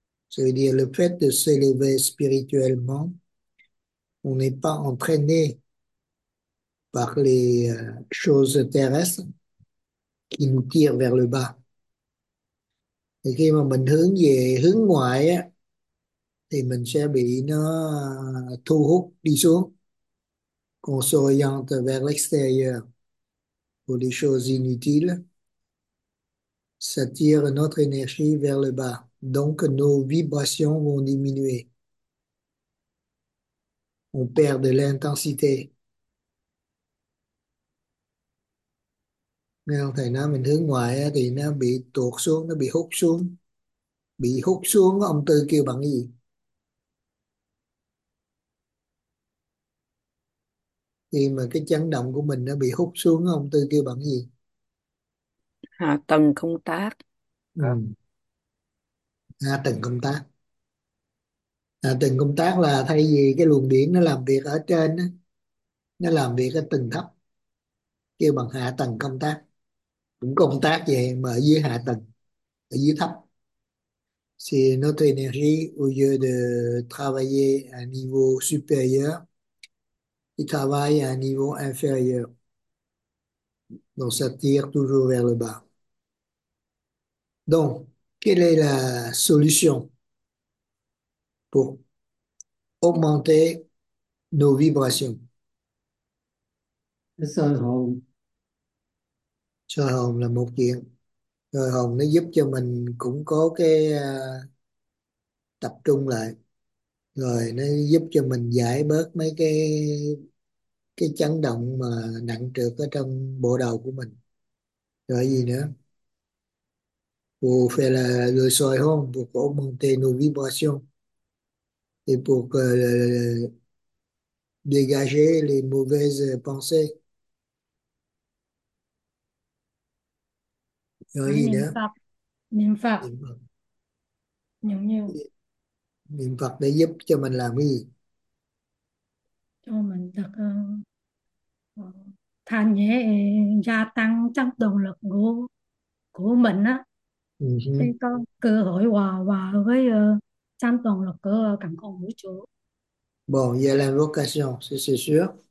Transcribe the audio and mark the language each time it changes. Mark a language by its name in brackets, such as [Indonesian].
[French] C'est-à-dire le fait de s'élever spirituellement, on n'est pas entraîné par les choses terrestres qui nous tirent vers le bas. [Vietnamese] Thì khi mà mình hướng về hướng ngoại á, thì mình sẽ bị nó thu hút đi xuống. [French] qu'on s'oriente vers l'extérieur pour des choses inutiles, ça tire notre énergie vers le bas. Donc, nos vibrations vont diminuer. On perd de l'intensité. [Vietnamese] Nghe không thầy, nó mình hướng ngoại thì nó bị tuột xuống, nó bị hút xuống. Bị hút xuống, ông Tư kêu bằng gì? Khi mà cái chấn động của mình nó bị hút xuống, ông Tư kêu bằng gì? Hạ tầng công tác. Hạ tầng công tác. Hạ tầng công tác là thay vì cái luồng điện nó làm việc ở trên, nó làm việc ở tầng thấp, kêu bằng hạ tầng công tác. Cũng công tác vậy mà ở dưới hạ tầng, ở dưới thấp. [French] C'est notre énergie au lieu de travailler à niveau supérieur, il travaille à niveau inférieur. Donc ça tire toujours vers le bas. Donc, quelle est la solution pour augmenter nos vibrations? [Vietnamese] Cái soi hồn. Soi hồn là một chuyện. Soi hồn nó giúp cho mình cũng có cái tập trung lại. Rồi nó giúp cho mình giải bớt mấy cái chấn động mà nặng trược ở trong bộ đầu của mình. Rồi gì nữa? [French] Vous faites le soi hồn pour augmenter nos vibrations et pour dégager les mauvaises pensées. [Vietnamese] Rồi Cái gì niệm nữa? Phật, niệm Phật Niệm Phật. giống như Niệm Phật để giúp cho mình làm cái gì? cho mình được thanh nhẹ, gia tăng trong động lực của mình á, để có cơ hội hòa hòa với trong toàn lực của cả con vũ trụ. [French] Bon, il y a l'invocation, c'est sûr.